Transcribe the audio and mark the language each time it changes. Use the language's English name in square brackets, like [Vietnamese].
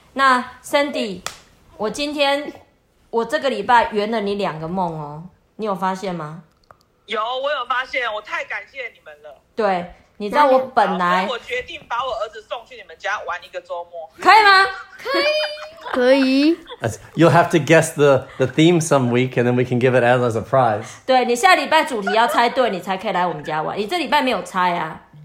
[Chinese] 那 Sandy， 我今天我这个礼拜圆了你两个梦哦，你有发现吗？有，我有发现，我太感谢你们了。对，你知道我本来我决定把我儿子送去你们家玩一个周末，可以吗？可以，可以。 [English] You'll have to guess the theme some week, and then we can give it as a surprise. [Chinese] 对你下礼拜主题要猜对，你才可以来我们家玩。你这礼拜没有猜啊？